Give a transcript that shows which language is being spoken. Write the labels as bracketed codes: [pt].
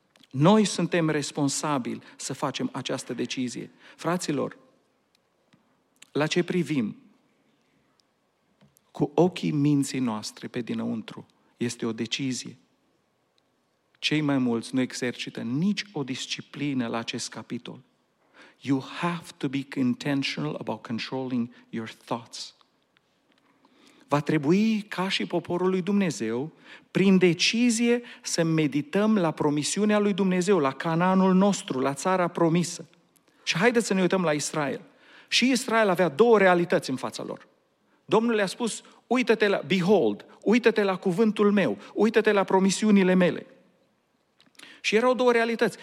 [ro] Noi suntem responsabili să facem această decizie. Fraților, la ce privim? Cu ochii minții noastre pe dinăuntru este o decizie. Cei mai mulți nu exercită nici o disciplină la acest capitol. [en] You have to be intentional about controlling your thoughts. [ro] Va trebui, ca și poporul lui Dumnezeu, prin decizie să medităm la promisiunea lui Dumnezeu, la Canaanul nostru, la țara promisă. Și haideți să ne uităm la Israel. Și Israel avea două realități în fața lor. Domnul le-a spus: uită-te la, behold, uită-te la cuvântul meu, uită-te la promisiunile mele. Și erau două realități.